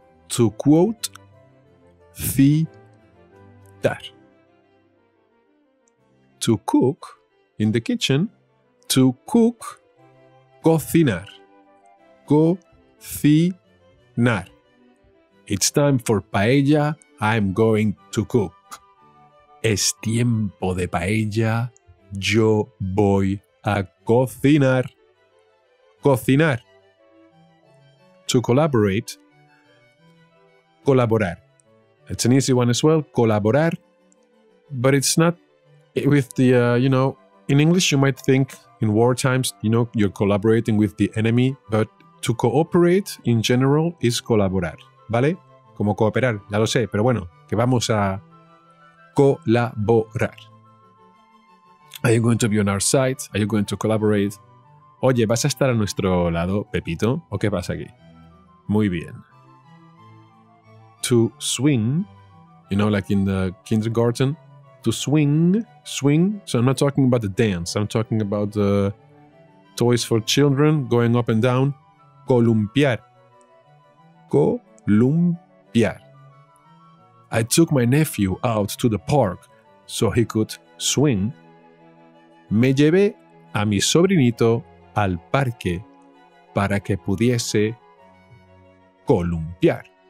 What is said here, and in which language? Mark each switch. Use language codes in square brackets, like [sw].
[en] To quote, citar. To cook, in the kitchen, to cook, cocinar. Cocinar. It's time for paella, I'm going to cook. [es] Es tiempo de paella, yo voy a cocinar. [en] Cocinar. To collaborate. Colaborar. It's an easy one as well. Colaborar. But it's not with the, you know, in English you might think in war times, you know, you're collaborating with the enemy. But to cooperate in general is colaborar. [es] ¿Vale? Como cooperar. Ya lo sé, pero bueno, que vamos a colaborar. [en] Are you going to be on our side? Are you going to collaborate? [es] Oye, ¿vas a estar a nuestro lado, Pepito? ¿O qué pasa aquí? Muy bien. [en] To swing, you know, like in the kindergarten. To swing, swing. So I'm not talking about the dance. I'm talking about the toys for children going up and down. Columpiar. Columpiar. I took my nephew out to the park so he could swing. [es] Me llevé a mi sobrinito al parque para que pudiese columpiar.